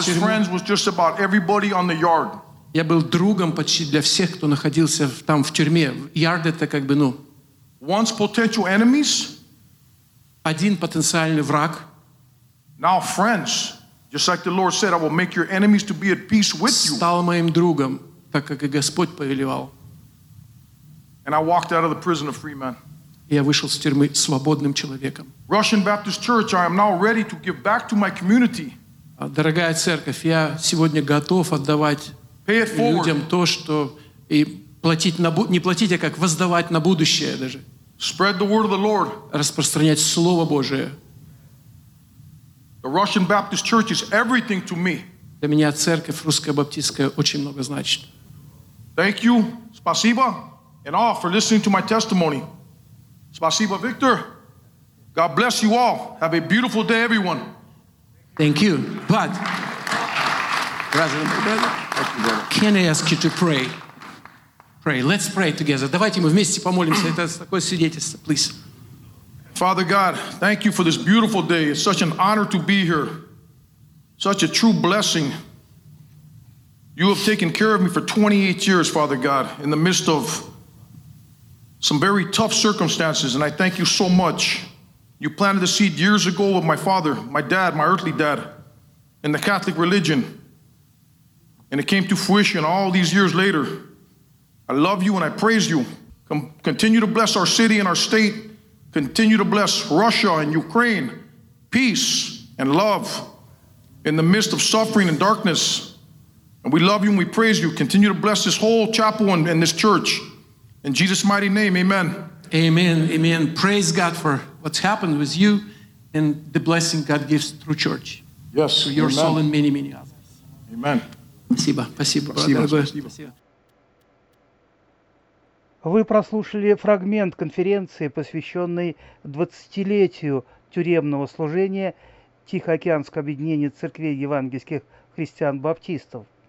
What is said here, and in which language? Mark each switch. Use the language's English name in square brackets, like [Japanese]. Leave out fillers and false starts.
[English] тюрьму. I was friends with just about everybody on the yard. [Russian] Я был другом почти для всех, кто находился там в тюрьме. Ярд это как бы, ну. [English] Once potential enemies. [Russian] один потенциальный враг. [English] Now friends, just like the Lord said, I will make your enemies to be at peace with you. [Russian] Стал моим другом, так как и Господь повелевал. [English] And I walked out of the prison of free men. [Russian] Я вышел из тюрьмы свободным человеком. [English] Russian Baptist Church, I am now ready to give back to my community. [Russian] Дорогая церковь, я сегодня готов отдавать людям то, что и платить на не платить, а как воздавать на будущее даже. [English] Spread the word of the Lord. [Russian] Распространять слово Божие. [English] The Russian Baptist Church is everything to me. [Russian] Для меня церковь русская баптистская очень много значит. [English] Thank you, спасибо, and all for listening to my testimony. [Russian] Спасибо, Виктор. [English] God bless you all. Have a beautiful day, everyone. Thank you, but can I ask you to pray? Pray. Let's pray together. [Russian] Давайте мы вместе помолимся. Это такое свидетельство, please. [English] Father God, thank you for this beautiful day. It's such an honor to be here. Such a true blessing. You have taken care of me for 28 years, Father God, in the midst of some very tough circumstances, and I thank you so much. You planted the seed years ago with my father, my dad, my earthly dad, in the Catholic religion. And it came to fruition all these years later. I love you and I praise you. Continue to bless our city and our state. Continue to bless Russia and Ukraine. Peace and love in the midst of suffering and darkness. And we love you and we praise you. Continue to bless this whole chapel and this church. In Jesus' mighty name, amen. Amen, amen. Praise God for what's happened with you and the blessing God gives through church. Yes, through your amen. Soul and many, many others. Amen. [Russian] Спасибо, спасибо, спасибо, спасибо. Вы прослушали фрагмент конференции, посвященной 20-летию тюремного служения Тихоокеанского объединения церквей евангельских христиан-баптистов.